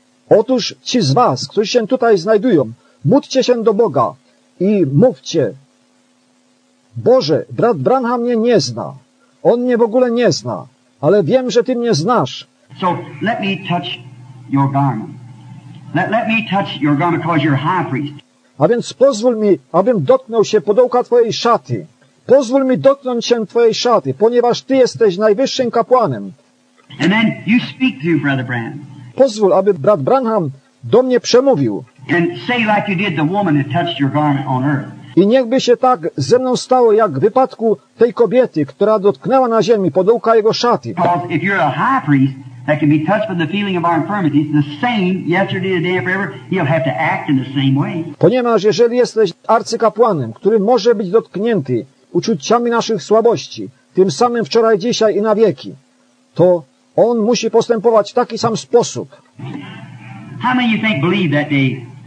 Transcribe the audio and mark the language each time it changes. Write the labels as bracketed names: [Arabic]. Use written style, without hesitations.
[Polish] Otóż ci z was, którzy się tutaj znajdują, módlcie się do Boga. I mówcie, Boże, brat Branham mnie nie zna. On mnie w ogóle nie zna, ale wiem, że Ty mnie znasz. [English] So let me touch your garment. Let me touch your garment because you're high priest. [Polish] A więc pozwól mi, abym dotknął się podołka Twojej szaty. Pozwól mi dotknąć się Twojej szaty, ponieważ Ty jesteś najwyższym kapłanem. [English] And then you speak to brother Branham. [Polish] Pozwól, aby brat Branham do mnie przemówił. [English] And say like you did the woman that touched your garment on earth. [Polish] I niechby się tak ze mną stało, jak w wypadku tej kobiety, która dotknęła na ziemi podołka jego szaty. [English] Because if you're a high priest that can be touched with the feeling of our infirmities, the same yesterday, today, and forever, he'll have to act in the same way. [Polish] Ponieważ jeżeli jesteś arcykapłanem, który może być dotknięty uczuciami naszych słabości, tym samym wczoraj, dzisiaj i na wieki, to on musi postępować w taki sam sposób. [English] How many of you think believe that day